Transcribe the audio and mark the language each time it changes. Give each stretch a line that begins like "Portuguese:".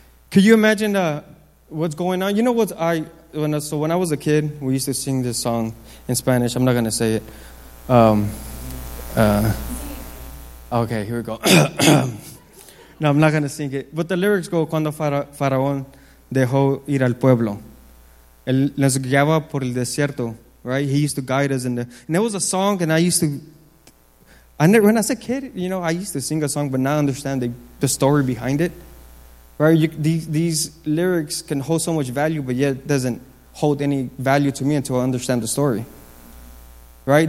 English: Can you imagine what's going on? You know what when I was a kid, we used to sing this song in Spanish. I'm not going to say it. Okay, here we go. No, I'm not going to sing it. But the lyrics go,
Spanish: cuando Faraón dejó ir al pueblo. Él nos guiaba por el desierto,
English: right? He used to guide us in the... And there was a song, and when I was a kid, you know, I used to sing a song, but now I understand the story behind it, right? These lyrics can hold so much value, but yet doesn't hold any value to me until I understand the story, right?